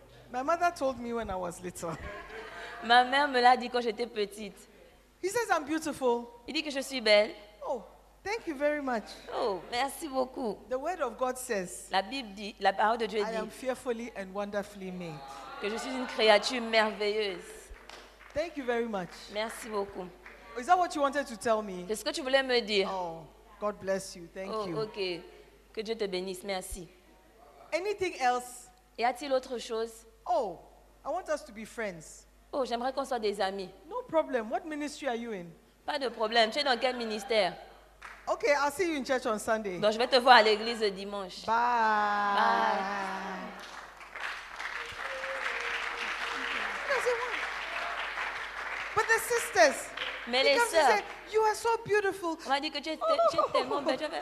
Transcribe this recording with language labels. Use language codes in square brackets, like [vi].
[en] My mother told me when I was little. [fr] Ma mère me l'a dit quand j'étais petite. [en] He says I'm beautiful. [fr] Il dit que je suis belle. [en] Oh. Thank you very much. [fr] Oh, merci beaucoup. [en] The word of God says. [fr] La Bible dit, la parole de Dieu dit. [en] I am fearfully and wonderfully made. [fr] Que je suis une créature merveilleuse. [en] Thank you very much. [fr] Merci beaucoup. [en] Is that what you wanted to tell me? [fr] C'est ce que tu voulais me dire. [en] Oh, God bless you. Thank you. [fr] Oh, okay. Que Dieu te bénisse. Merci. [en] Anything else? [fr] Y a-t-il autre chose? [en] Oh, I want us to be friends. [fr] Oh, j'aimerais qu'on soit des amis. [en] No problem. What ministry are you in? [fr] Pas de problème. Tu es dans quel ministère? [en] Okay, I'll see you in church on Sunday. [fr] Donc je vais te voir à l'église dimanche. [en] Bye. [fr] Bye. [en] What does he want? But the sisters. [fr] Mais les sœurs. [en] Say, you are so beautiful. [fr] On m'a dit que tu es tellement belle.